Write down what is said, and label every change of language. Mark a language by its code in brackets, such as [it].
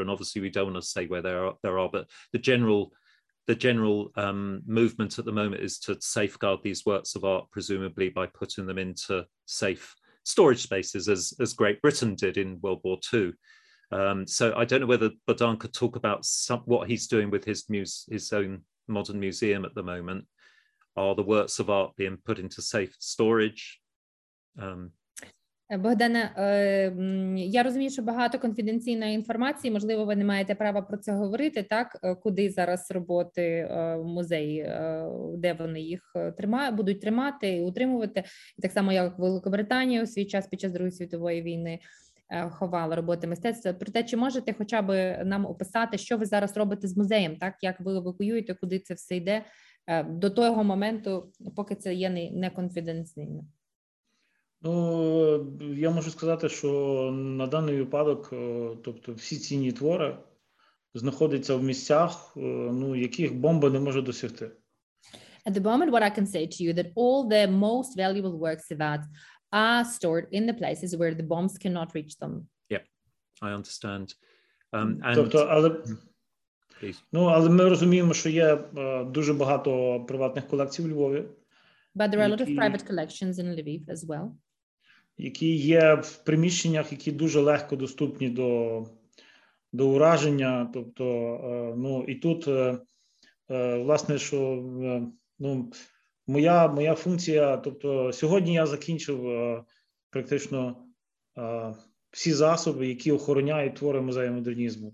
[en] And obviously we don't want to say where there are, but the general movement at the moment is to safeguard these works of art, presumably by putting them into safe storage spaces, as Great Britain did in World War II. So I don't know whether Bohdan could talk about what he's doing with his own modern museum at the moment. Are the works of art being put into safe storage? [uk] Богдане, я розумію, що багато конфіденційної інформації, можливо, ви не маєте права про це говорити, так? Куди зараз роботи музеї, де вони їх будуть тримати і утримувати, так само, як Великобританія у свій час під час Другої світової війни ховала роботи мистецтва. Проте, чи можете хоча б нам описати, що ви зараз робите з музеєм, так? Як ви евакуюєте, куди це все йде до того моменту, поки це є не конфіденційно? Ну, я можу сказати, що на даний випадок, тобто всі цінні твори знаходяться в місцях, ну, яких бомба не може досягти. [en] At the moment, what I can say to you that all the most valuable works of art are stored in the places where the bombs cannot reach them. Yeah, I understand. [uk] Але ми розуміємо, що є дуже багато приватних колекцій в Львові. [en] But there are a lot of private collections in Lviv as well. [uk] Які є в приміщеннях, які дуже легко доступні до ураження. Тобто, ну, і тут, власне, що, ну, моя функція, тобто, сьогодні я закінчив практично всі засоби, які охороняють твори музею модернізму.